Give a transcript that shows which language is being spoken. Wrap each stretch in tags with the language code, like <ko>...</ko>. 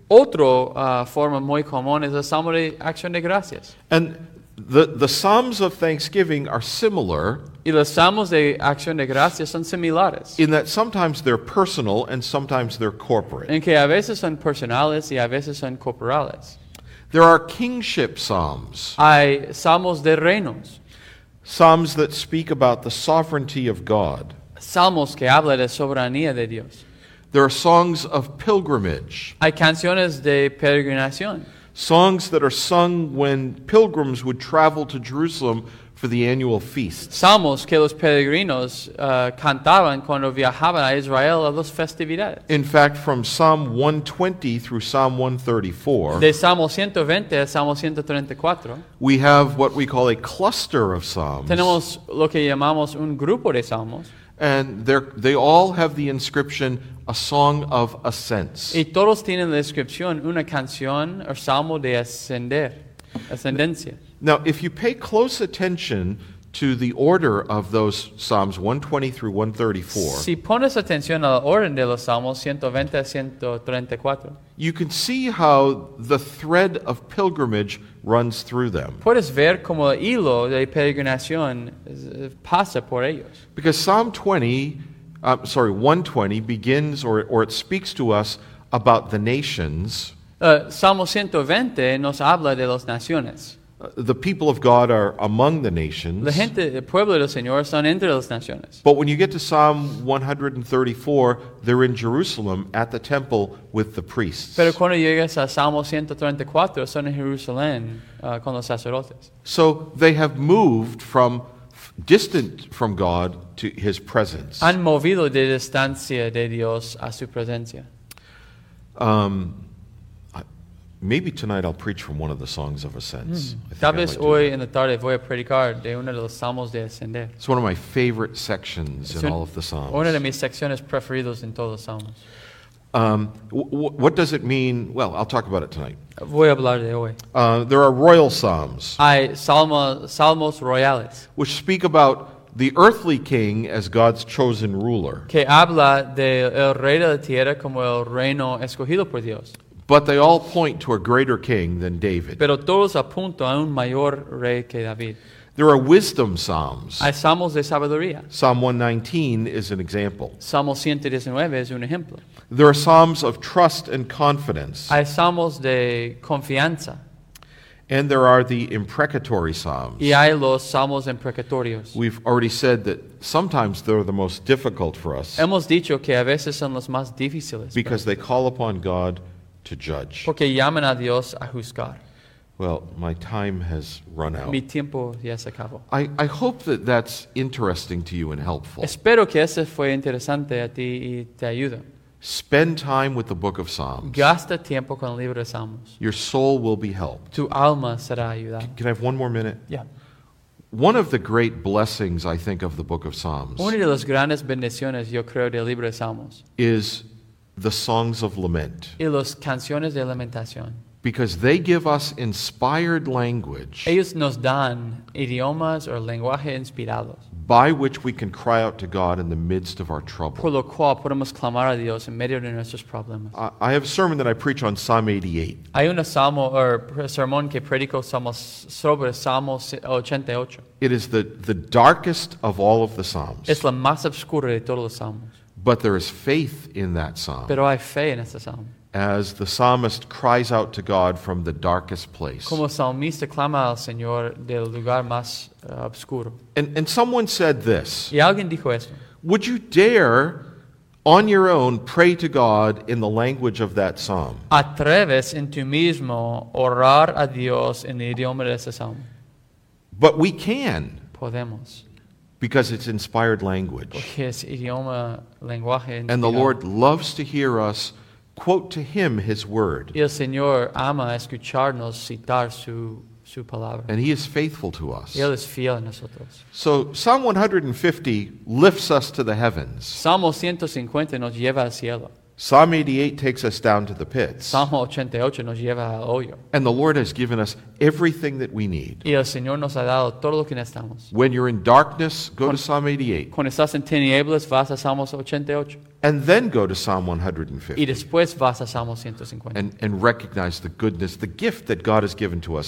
<es>Otra forma muy común es el Salmo de Acción de Gracias.</es> <en>And the Psalms of Thanksgiving are similar.</en> <es>Y los Salmos de Acción de Gracias son similares.</es> <en>In that sometimes they're personal and sometimes they're corporate.</en> <es>En que a veces son personales y a veces son corporales.</es> <en>There are kingship psalms.</en> <es>Hay salmos de reinos.</es> <en>Psalms that speak about the sovereignty of God.</en> <es>Salmos que habla de soberanía de Dios.</es> <en>There are songs of pilgrimage.</en> <es>Hay canciones de peregrinación.</es> <en>Songs that are sung when pilgrims would travel to Jerusalem for the annual feasts.</en> <es>Salmos que los peregrinos cantaban cuando viajaban a Israel a las festividades.</es> <en>In fact, from Psalm 120 through Psalm 134,</en> <es>de Salmo 120 a Salmo 134,</es> <en>we have what we call a cluster of psalms.</en> <es>Tenemos lo que llamamos un grupo de salmos.</es> <en>And they all have the inscription, a song of ascents.</en> <es>Y todos tienen la inscripción, una canción o salmo de ascender, ascendencia.</es> <en>Now, if you pay close attention to the order of those Psalms 120 through 134,</en> <es>si pones atención al orden de los Salmos 120 a 134,</es> <en>you can see how the thread of pilgrimage runs through them.</en> <es>Puedes ver cómo el hilo de peregrinación pasa por ellos.</es> <en>Because Psalm 20, I'm sorry, 120 begins or it speaks to us about the nations.</en> <es>Salmo 120 nos habla de las naciones.</es> <en>The people of God are among the nations.</en> <es>La gente, el pueblo del Señor, son entre las naciones.</es> <en>But when you get to Psalm 134, they're in Jerusalem at the temple with the priests.</en> <es>Pero cuando llegas a Salmo 134, son en Jerusalén con los sacerdotes.</es> <en>So they have moved from distant from God to His presence.</en> <es>Han movido de distancia de Dios a su presencia.</es> <en>Maybe tonight I'll preach from one of the songs of ascents.</en> <es>Tal vez hoy en la tarde voy a predicar de uno de los salmos de ascender.</es> <en>It's one of my favorite sections in all of the psalms.</en> <es>Una de mis secciones preferidas en todos los salmos.</es> <en>What does it mean? Well, I'll talk about it tonight.</en> <es>Voy a hablar de hoy.</es> <en>There are royal psalms.</en> <es>Hay salmos royales.</es> <en>Which speak about the earthly king as God's chosen ruler.</en> <es>Que habla del rey de la tierra como el reino escogido por Dios.</es> <en>But they all point to a greater king than David.</en> <es>Pero todos apuntan a un mayor rey que David.</es> <en>There are wisdom psalms.</en> <es>Hay salmos de sabiduría.</es> <en>Psalm 119 is an example.</en> <es>Salmo 119 es un ejemplo.</es> <en>There are psalms of trust and confidence.</en> <es>Hay salmos de confianza.</es> <en>And there are the imprecatory psalms.</en> <es>Y hay los salmos imprecatorios.</es> <en>We've already said that sometimes they're the most difficult for us.</en> <es>Hemos dicho que a veces son los más difíciles.</es> <en>Because they call upon God to judge.</en> <es>Porque llaman a Dios a juzgar.</es> <en>Well, my time has run out.</en> <es>Mi tiempo ya se acabó.</es> <en>I hope that that's interesting to you and helpful.</en> <es>Espero que ese fue interesante a ti y te ayude.</es> <en>Spend time with the book of Psalms.</en> <es>Gasta tiempo con el libro de Salmos.</es> <en>Your soul will be helped.</en> <es>Tu alma será ayudada.</es> <en>Can I have one more minute? Yeah. One of the great blessings, I think, of the book of Psalms.</en> <es>Una de las grandes bendiciones, yo creo, del libro de Salmos.</es> <en>Is the songs of lament.</en> <es>Y las canciones de lamentación.</es> <en>Because they give us inspired language.</en> <es>Ellos nos dan idiomas o lenguaje inspirados.</es> <en>By which we can cry out to God in the midst of our trouble.</en> <es>Por lo cual podemos clamar a Dios en medio de nuestros problemas.</es> <en>I have a sermon that I preach on Psalm 88.</en> <es>Hay un salmo o sermón que predico sobre Salmo 88.</es> <en>It is the darkest of all of the psalms.</en> <es>Es la más oscura de todos los salmos.</es> <en>But there is faith in that psalm.</en> <es>Pero hay fe en ese salmo.</es> <en>As the psalmist cries out to God from the darkest place.</en> <es>Como salmista clama al Señor del lugar más obscuro.</es> <en>And someone said this.</en> <es>Y alguien dijo esto.</es> <en>Would you dare, on your own, pray to God in the language of that psalm?</en> <es>¿Atreves en tu mismo orar a Dios en el idioma de ese salmo?</es> <en>But we can.</en> <es>Podemos.</es> <en>Because it's inspired language.</en> <es>Porque es idioma, lenguaje inspirado.</es> <en>And the Lord loves to hear us quote to him his word.</en> <es>Y el Señor ama escucharnos citar su palabra.</es> <en>And he is faithful to us.</en> <es>Y él es fiel a nosotros.</es> <en>So Psalm 150 lifts us to the heavens.</en> <es>Salmo 150 nos lleva al cielo.</es> <en>Psalm 88 takes us down to the pits.</en> <es>Salmo 88 nos lleva al hoyo.</es> <en>And the Lord has given us everything that we need.</en> <es>Y el Señor nos ha dado todo lo que necesitamos.</es> <en>When you're in darkness, go to Psalm 88.</en> <es>Cuando estás en tinieblas, vas a Salmo 88.</es> <en>And then go to Psalm 150.</en> <es>Y después vas a Salmo 150.</es> <en>And recognize the goodness, the gift that God has given to us</en>